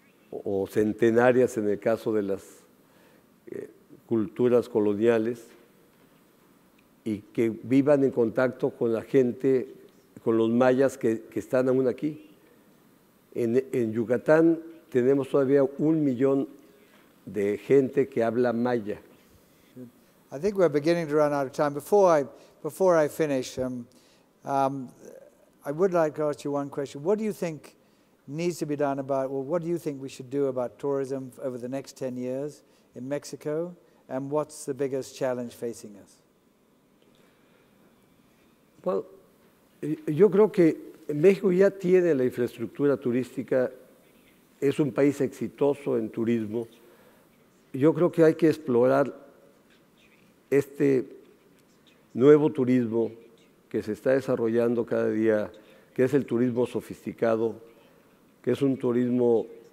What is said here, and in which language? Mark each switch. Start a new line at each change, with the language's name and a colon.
Spanish: o centenarias en el caso de las culturas coloniales, y que vivan en contacto con la gente, con los mayas que están aún aquí. En Yucatán tenemos todavía 1 millón de gente que habla maya.
English: I think we're beginning to run out of time. Before I finish, I would like to ask you one question. What do you think needs to be done about, or what do you think we should do about tourism over the next 10 years in Mexico? And what's the biggest challenge facing us? Well,
Spanish: yo creo que México ya tiene la infraestructura turística, es un país exitoso en turismo. Yo creo que hay que explorar este nuevo turismo que se está desarrollando cada día, que es el turismo sofisticado, que es un turismo